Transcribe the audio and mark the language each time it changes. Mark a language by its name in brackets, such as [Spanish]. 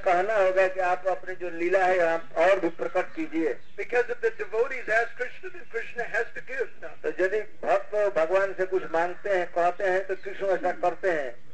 [Hindi] कहना होगा कि आप अपने जो लीला है आप और भी प्रकट कीजिए. [English] Because if the devotees ask Krishna, then Krishna has to give. [Hindi] तो यदि भक्त भगवान से कुछ मांगते हैं कहते हैं तो कृष्ण ऐसा करते हैं.